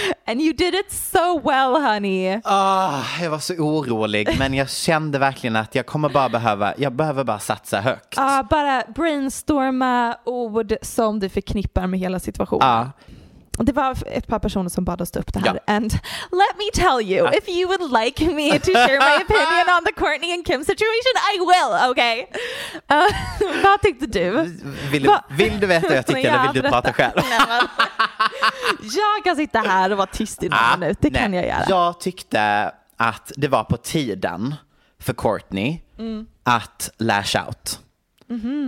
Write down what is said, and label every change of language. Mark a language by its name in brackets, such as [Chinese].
[English] And you did it so well, honey. [Swedish] Jag var så orolig, men jag kände verkligen att jag kommer bara behöva, jag behöver bara satsa högt. Bara brainstorma ord som du förknippar med hela situationen. Det var ett par personer som bad oss upp det här. Ja. [English] And let me tell you, if you would like me to share my opinion on the Courtney and Kim situation, I will, okay? [Swedish] Vad tyckte du? Vill du veta vad jag tycker eller vill du prata själv? Jag kan sitta här och vara tyst i några minuter, det kan jag göra. Jag tyckte att det var på tiden för Courtney att [English] lash out. Mm-hmm.